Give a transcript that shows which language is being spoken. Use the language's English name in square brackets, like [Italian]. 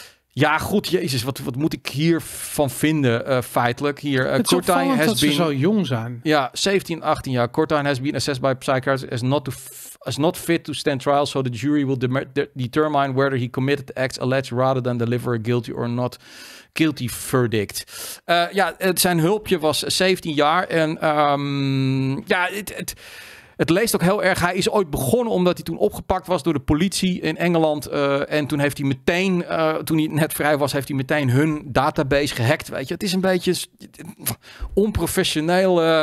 [Dutch] Ja, goed, jezus. Wat moet ik hiervan vinden, feitelijk? Hier, het is opvallend dat ze zo jong zijn. Ja, 17, 18 jaar. [English] Kurtay has been assessed by psychiatrists as not to... is not fit to stand trial, so the jury will determine whether he committed acts alleged rather than deliver a guilty or not guilty verdict. [Dutch] Ja, zijn hulpje was 17 jaar en ja, het leest ook heel erg. Hij is ooit begonnen omdat hij toen opgepakt was door de politie in Engeland en toen heeft hij meteen, toen hij net vrij was, heeft hij meteen hun database gehackt. Weet je, het is een beetje onprofessioneel.